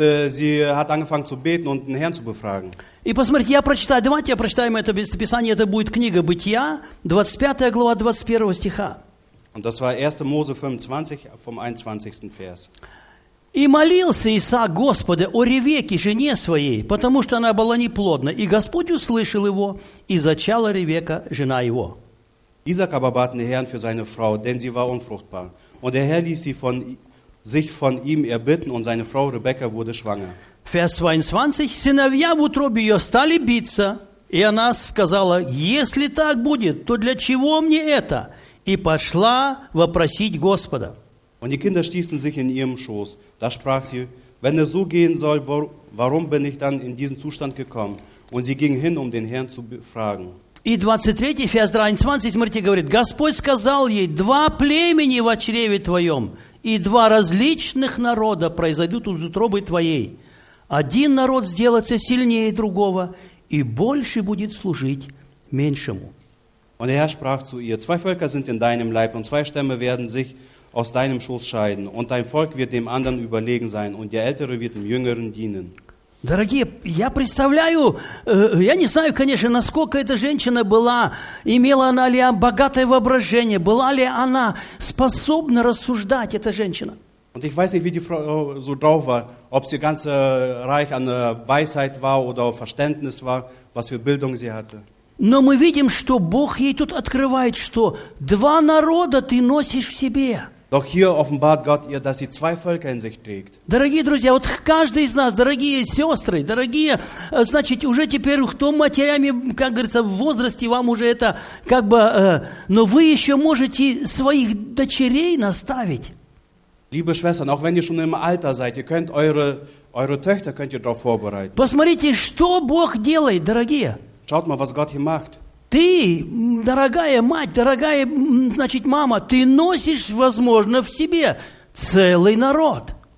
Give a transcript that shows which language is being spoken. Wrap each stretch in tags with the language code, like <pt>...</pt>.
<de>Sie hat angefangen zu beten und den Herrn zu befragen.</de> <ru>И посмотрите, я прочитаю, давайте я прочитаю это местописание, это будет книга Бытия, 25 глава 21 стиха.</ru> <de>Und das war 1. Mose 25, vom 21. Vers.</de> <ru>«И молился Исаак Господа о Ревеке, жене своей, потому что она была неплодна, и Господь услышал его, и зачала Ревека, жена его».</ru> <de>Исаак aber bat den Herrn für seine Frau, denn sie war unfruchtbar. Und der Herr ließ sie von ihm erbitten, und seine Frau Ребекка wurde schwanger.</de> <ru>Vers 22, «Сыновья в утробе ее стали биться, и она сказала, «Если так будет, то для чего мне это?» И пошла вопросить Господа.</ru> <de>Und die Kinder stießen sich in ihrem Schoß. Da sprach sie, wenn es so gehen soll, warum bin ich dann in diesen Zustand gekommen? Und sie ging hin, um den Herrn zu befragen.</de> <ru>И 23, Vers 23, смотрите, говорит, Господь сказал ей, два племени в чреве твоем и два различных народа произойдут из утробы твоей. Один народ сделается сильнее другого и больше будет служить меньшему.</ru> <de>Und der Herr sprach zu ihr, zwei Völker sind in deinem Leib und zwei Stämme werden sich aus deinem Schoß scheiden und dein Volk wird dem anderen überlegen sein und der Ältere wird dem Jüngeren dienen.</de> <ru>Дорогие, я представляю, я не знаю, конечно, насколько эта женщина была, имела она ли богатое воображение, была ли она способна рассуждать, эта женщина.</ru> <de>Und ich weiß nicht, wie die Frau so drauf war, ob sie ganz reich an Weisheit war oder Verständnis war, was für Bildung sie hatte.</de> <ru>Но мы видим, что Бог ей тут открывает, что два народа ты носишь в себе.</ru> <de>Doch hier offenbart Gott ihr, dass sie zwei Völker in sich trägt.</de> <ru>Дорогие друзья, вот каждый из нас, дорогие сестры, дорогие, значит, уже теперь, кто матерями, как говорится, в возрасте, вам уже это как бы, но вы еще можете своих дочерей наставить.</ru> <de>Liebe Schwestern, auch wenn ihr schon im Alter seid, ihr könnt eure Töchter könnt ihr darauf vorbereiten.</de> <ru>Посмотрите, что Бог делает, дорогие.</ru> <de>Schaut mal, was Gott hier macht.</de> <ru>Ты, дорогая мать, дорогая, значит, мама, ты носишь, возможно, в себе целый народ.</ru>